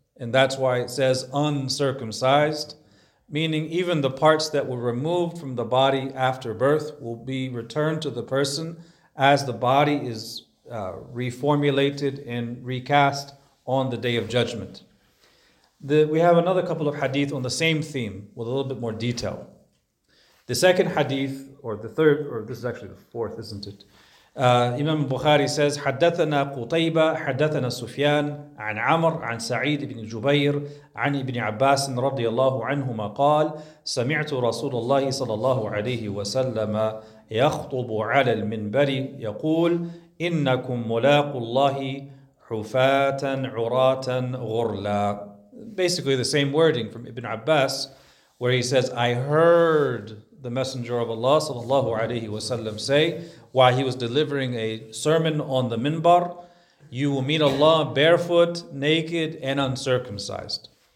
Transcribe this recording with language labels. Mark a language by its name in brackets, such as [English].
[English] And that's why it says uncircumcised, meaning even the parts that were removed from the body after birth will be returned to the person as the body is reformulated and recast on the Day of Judgment. We have another couple of hadith on the same theme with a little bit more detail. The second hadith, or the third, or this is actually the fourth, isn't it? Imam Bukhari says, [Arabic] حَدَّثَنَا قُطَيْبَ حَدَّثَنَا سُفْيَانَ عَنْ عَمَرَ عَنْ سَعِيدِ بْنِ جُبَيْرِ عَنْ إِبْنِ عَبَّاسٍ رَضِيَ اللَّهُ عَنْهُمَا قَالَ سَمِعْتُ رَسُولَ اللَّهِ صَلَى اللَّهُ عَلَيْهِ وَسَلَّمَ يَخْطُبُ عَلَى الْمِنْبَرِ يَقُولُ إِنَّكُمْ مُلَاقُ اللَّهِ حُفَاتًا عُرَاتًا غُرْلًا. [English] Basically the same wording from Ibn Abbas, where he says, I heard the Messenger of Allah sallallahu alayhi wa sallam say, while he was delivering a sermon on the minbar, you will meet Allah barefoot, naked, and uncircumcised.